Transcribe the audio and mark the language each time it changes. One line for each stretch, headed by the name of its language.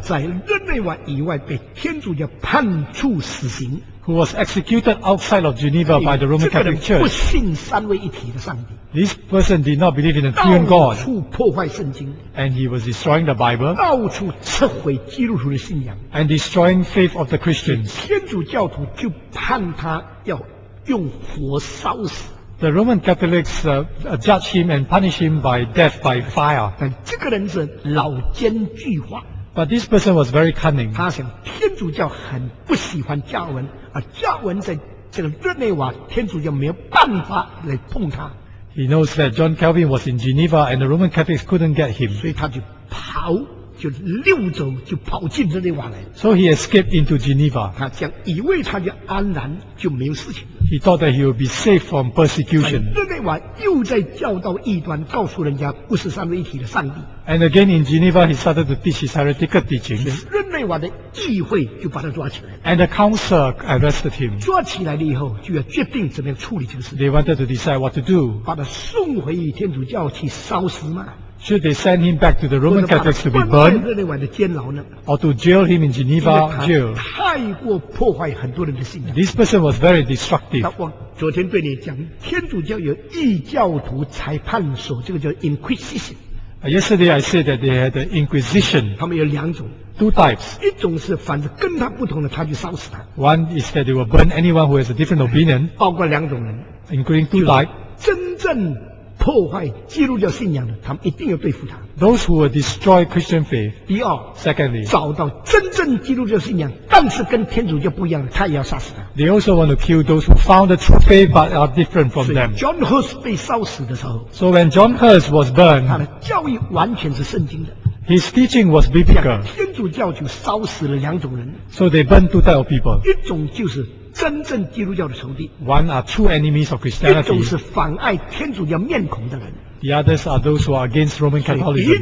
Chinese: 在日内瓦以外被天主教判处死刑。
English: Who was executed outside of Geneva by the Roman Catholic Church.
Chinese: 这个人不信三位一体的上帝。
English: This person did not believe in the triune God.
Chinese: 到处破坏圣经。
English: And he was destroying the Bible.
Chinese: 到处摧毁基督徒的信仰。
English: And destroying faith of the Christians.
Chinese: 天主教徒就判他要用火烧死。
English: The Roman Catholics judge him and punish him by death by fire.
Chinese: 但这个人是老奸巨猾。
English: But this person was very cunning.
Chinese: 他想天主教很不喜欢加文，而加文在这个日内瓦，天主教没有办法来碰他。
English: He knows that John Calvin was in Geneva and the Roman Catholics couldn't get him.
Chinese: 所以他就跑，就溜走，就跑进日内瓦来。
English: So he escaped into Geneva.
Chinese: 他这样以为他就安然，就没有事情。
English: He thought that he would be safe from persecution.
Chinese: 日内瓦又在教导异端，告诉人家不是三位一体的上帝。
English: And again in Geneva, he started to teach his heretical teachings.
Chinese: 日内瓦的议会就把他抓起来。
English: And the council arrested him.
Chinese: 抓起来了以后，就要决定怎么样处理这个事。
English: They wanted to decide what to do.
Chinese: 把他送回天主教去烧死吗？
English: Should they send him back to the Roman Catholics to be burned?
Chinese: 日内瓦的监牢呢？
English: Or to jail him in Geneva jail?
Chinese: 太过破坏很多人的信仰。
English: This person was very destructive.
Chinese: 我昨天对你讲，天主教有异教徒裁判所，这个叫 Inquisition。
English: Yesterday I said that they had an Inquisition.
Chinese: 他们有两种。
English: Two types.
Chinese: 一种是反正跟他不同的，他就烧死他。
English: One is that they will burn anyone who has a different opinion.
Chinese: 包括两种人。
English: Including two types.
Chinese: 真正破坏基督教信仰的，他们一定要对付他。
English: Those who will destroy Christian faith.
Chinese: 第二
English: ，secondly，
Chinese: 找到真正基督教信仰，但是跟天主教不一样，他也要杀死他。
English: They also want to kill those who found the true faith but are different from them.
Chinese: John Hus 被烧死的时候
English: ，So when John Hus was burned，
Chinese: 他的教义完全是圣经的。
English: His teaching was biblical.
Chinese: 天主教就烧死了两种人。
English: So they burned two types of people.
Chinese: 一种就是真正基督教的仇敌。
English: One are true enemies of Christianity.
Chinese: 一种是妨碍天主教面孔的人。
English: The others are those who are against Roman Catholicism.